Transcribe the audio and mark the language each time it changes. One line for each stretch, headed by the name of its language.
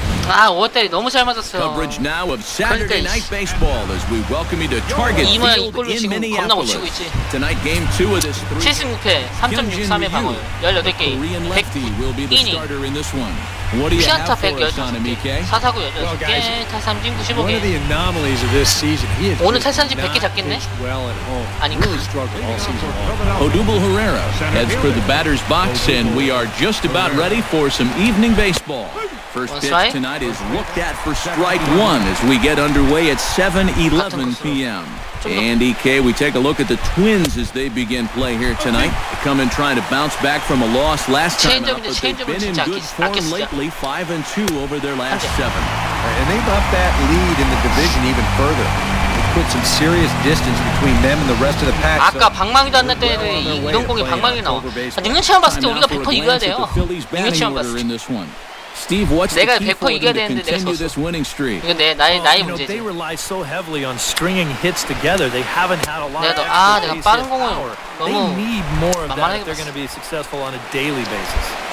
Korean: 아, 5월달이 너무 잘 맞았어요. 그러니까 이모야 이 골로 지금 겁나 고치고 있지. 76회 3.63의 방어율 18게임 100이닝 피안타 116개 사사구 16개 타삼진 95개 오늘 탈삼진 100개 잡겠네? 아닌가?
English: Heads for the batter's box and we are just about ready for some evening baseball. First pitch tonight is looked at for strike one as we get underway at 7:11 p.m. Andy K, we take a look at the Twins as they begin play here tonight. They come in trying to bounce back from a loss last time out, but they've been in good form lately, 5-2 over their last seven. And they've upped that lead in the division even further. Put some serious distance between them and the rest of the pack.
Korean: 아까 방망이도 안 날 때 이 이동공이 방망이 나와. 능력치만 봤을 때 우리가 100% 이겨야 돼요. 능력치만 봤을 때.
English: Steve, what's the key for them to continue this winning streak?
Korean: 이건 나의 문제지.
English: They rely so heavily on stringing hits together. They haven't had a lot of extra base power. They need more of that if they're going to be successful on a daily basis.